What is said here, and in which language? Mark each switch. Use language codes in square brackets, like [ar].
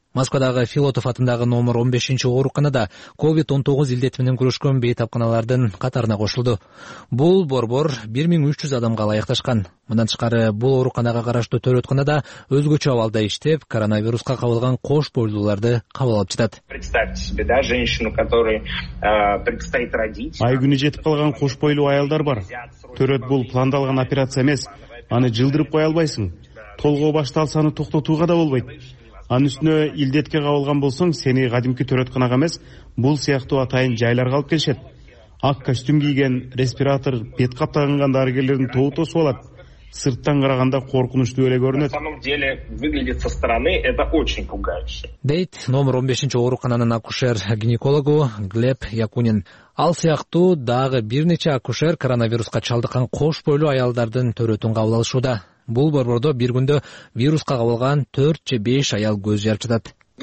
[ky] Москвадагы Филотов атындагы номер 15-чи ооруканада COVID-19 илдети менен күрөшкөн бейтапканалардын катарына кошулду. Бул борбор 1300 адамга ылайыкташкан. Мындан тышкары бул ооруканага караштуу төрөтканада өзгөчө абалда иштеп, коронавируска кабылган кош бойлууларды кабыл алып жатат. [ru] Представьте себе, да, женщину, которой предстоит родить. [ky] Ай күнү жетип калган кош бойлуу аялдар бар. Төрөт бул пландалган операция эмес. Аны жылдырып кое албайсың. Толгоо башталсаны токтотууга да болбойт. Анын үстүнө илдетке кабылган болсоң, сени кадимки төрөтканага эмес, бул сыяктуу атайын жайларга алып келишет. Ак костюм кийген, респиратор, бет кап тагынган дарыгерлердин тоотосу болот. Сырттан караганда коркунучтуу эле көрүнөт. Дейт номер 15-чи оорукананын акушер-гинекологу Глеб Якунин. Ал сыяктуу дагы бир нече акушер коронавируска чалдыккан кош бойлуу аялдардын төрөтүн кабыл алышууда. Бул борбордо бир күндө вируска кабылган 4-5 аял көз жарып жатат.